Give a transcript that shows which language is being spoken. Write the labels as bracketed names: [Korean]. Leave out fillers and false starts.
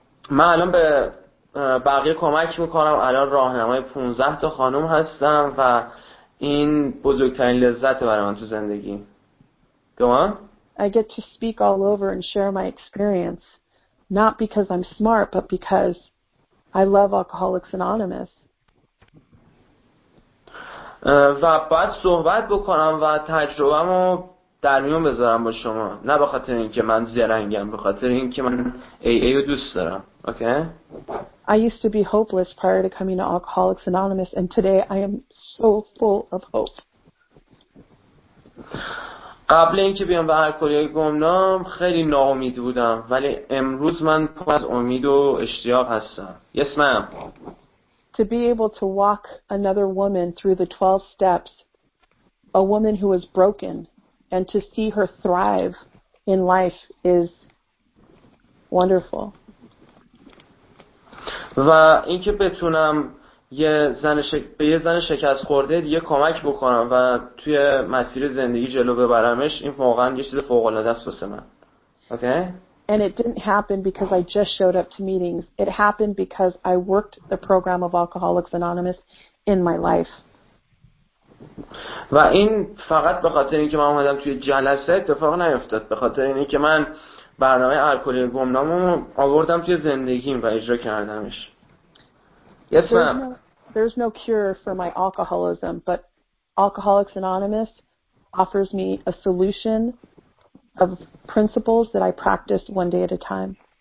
[Persian] من الان به بقیه کمک میکنم، الان راهنمای 15 تا خانم هستم و این بزرگترین لذت برای من تو زندگی. [English] I get to speak all over and share my experience, not because I'm smart, but because I love Alcoholics Anonymous. [Persian] و باید صحبت بکنم و تجربه‌مو در میون بذارم با شما، نه به خاطر اینکه من زرنگم، به خاطر اینکه من AA رو دوست دارم. [English] Okay. I used to be hopeless prior to coming to Alcoholics Anonymous, and today I am so full of hope. [Persian] قبل اینکه بیام به الکلی گمنام خیلی ناامید بودم، ولی امروز من پر از امید و اشتیاق هستم. [English] Yes, ma'am. To be able to walk another woman through the 12 steps, a woman who is broken, and to see her thrive in life is wonderful. [Persian] و اینکه بتونم به یه زن شکست خورده دیگه کمک بکنم و توی مسیر زندگی جلو ببرمش، این واقعا یه چیز فوق العاده است واسه من. [English] Okay? And it didn't happen because I just showed up to meetings. It happened because I worked the program of Alcoholics Anonymous in my life. [Persian] و این فقط به خاطر اینکه من اومدم توی جلسه اتفاق نیفتاد، به خاطر اینکه من برنامه الکلی گمنامو آوردم توی زندگیم و اجرا کردمش. [English] Yes, ma'am. There's no cure for my alcoholism, but Alcoholics Anonymous offers me a solution of principles that I practice one day at a time.